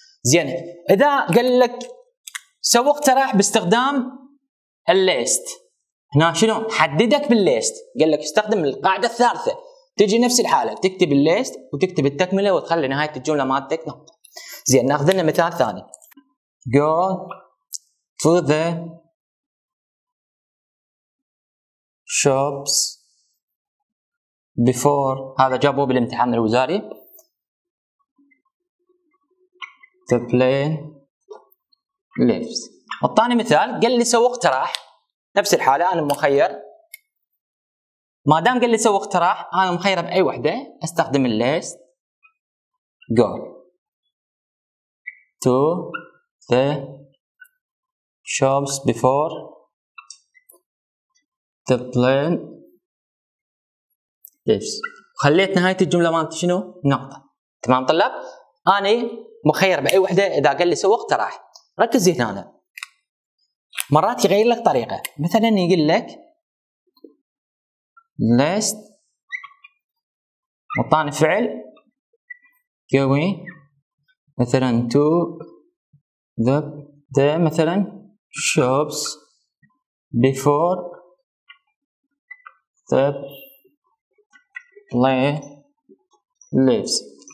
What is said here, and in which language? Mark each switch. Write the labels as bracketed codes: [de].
[ar] زين، اذا قال لك سوي اقتراح باستخدام الليست، هنا شنو؟ حددك بالليست، قال لك استخدم القاعدة الثالثة، تجي نفس الحالة تكتب الليست وتكتب التكملة وتخلي نهاية الجملة مالتك نقطة. زين، ناخذ لنا مثال ثاني. [en] Go to the shops before، [ar] هذا جابوه بالامتحان الوزاري. [en] The plane leaves. [ar] اعطاني مثال، قال لي سوي اقتراح. نفس الحالة أنا مخير، ما دام قال لي سوي اقتراح أنا مخير بأي وحدة أستخدم الليست. [en] Go to the shops before the plane leaves. [ar] خليت نهاية الجملة مالتي شنو؟ نقطة. تمام طلاب؟ أنا مخير بأي وحدة إذا قال لي سوي اقتراح. ركز هنا أنا. مرات يغير لك طريقة، مثلا يقول لك list وطان فعل going مثلا [en] to the [ar] مثلا [en] shops before the play leaves.